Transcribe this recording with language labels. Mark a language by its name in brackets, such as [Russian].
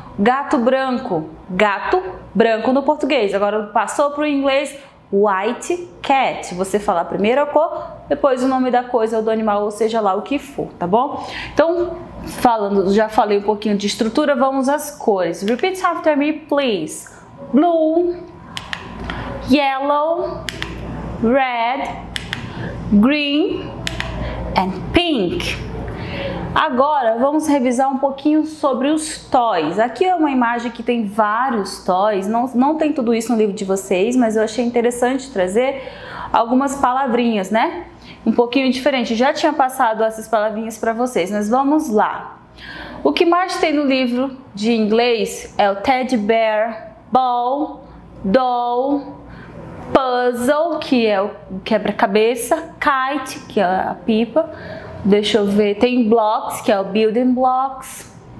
[Portuguese] Gato branco. Gato branco no português. Agora passou para o inglês [English] white cat. [Portuguese] Você fala a primeira cor, depois o nome da coisa ou do animal, ou seja lá o que for, tá bom? Então, falando, já falei um pouquinho de estrutura, vamos às cores. [English] Repeat after me, please. Blue, yellow, red, green and pink. [Portuguese] Agora, vamos revisar um pouquinho sobre os toys. Aqui é uma imagem que tem vários toys, não tem tudo isso no livro de vocês, mas eu achei interessante trazer algumas palavrinhas, né? Um pouquinho diferente, já tinha passado essas palavrinhas para vocês, mas vamos lá. O que mais tem no livro de inglês é o teddy bear, ball, doll, puzzle, que é o quebra-cabeça, kite, que é a pipa, deixa eu ver, tem blocks, que é o building blocks,